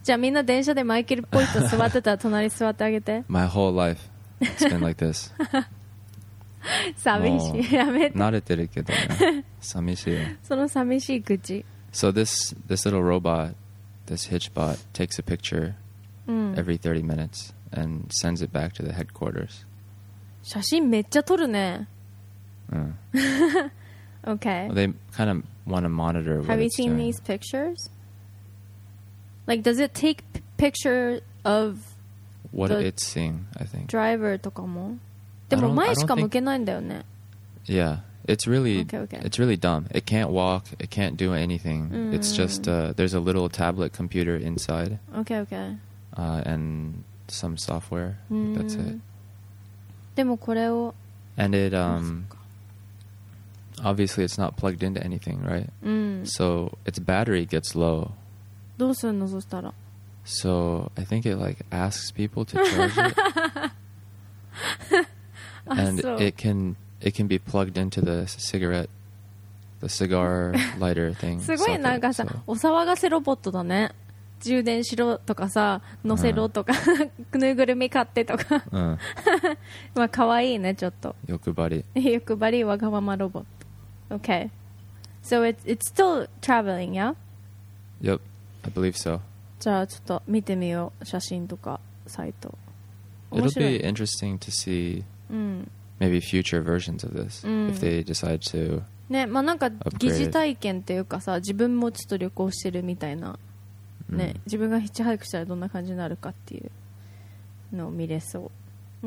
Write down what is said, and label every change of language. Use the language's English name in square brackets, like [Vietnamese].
[Japanese] じゃあみんな電車でマイケルっぽい人座ってたら隣座ってあげて。 [English] My whole life it's been like this. [Japanese] 寂しい。やめて。慣れてるけど、ね、寂しい。その寂しい口。 [English] So this little robot, this Hitchbot takes a picture every 30 minutes and sends it back to the headquarters. [Japanese] 写真めっちゃ撮るね。うん。 [English] Okay. Well, they kind of want to monitor what Have it's you seen doing. These pictures? Like, does it take picture of what it's seeing, I think. [Japanese] Driver とかも。でも前しか向けないんだよね。 [English] Yeah, it's really, okay. It's really dumb. It can't walk, it can't do anything. Mm. It's just, there's a little tablet computer inside. Okay, okay. And some software. That's it. [Japanese] でもこれを… [English] And it, Obviously, it's not plugged into anything, right? Mm. So, its battery gets low. [Japanese] どうするの、そしたら? [English] So, I think it, like, asks people to charge it. And it can be plugged into the cigar lighter thing. [Japanese] すごい、なんかさ、お騒がせロボットだね。充電しろとかさ、乗せろとか、ぬいぐるみ買ってとか。まあ、かわいいね、ちょっと。欲張り。欲張り、わがままロボット。 [English] Okay, so it's still traveling, yeah? Yep, I believe so. [Japanese] じゃあちょっと見てみよう、写真とかサイト。 [English] It'll be interesting to see maybe future versions of this if they decide to [Japanese] ね、まあなんか疑似体験っていうかさ、自分もちょっと旅行してるみたいな、ね、自分がヒッチハイクしたらどんな感じになるかっていうのを見れそう。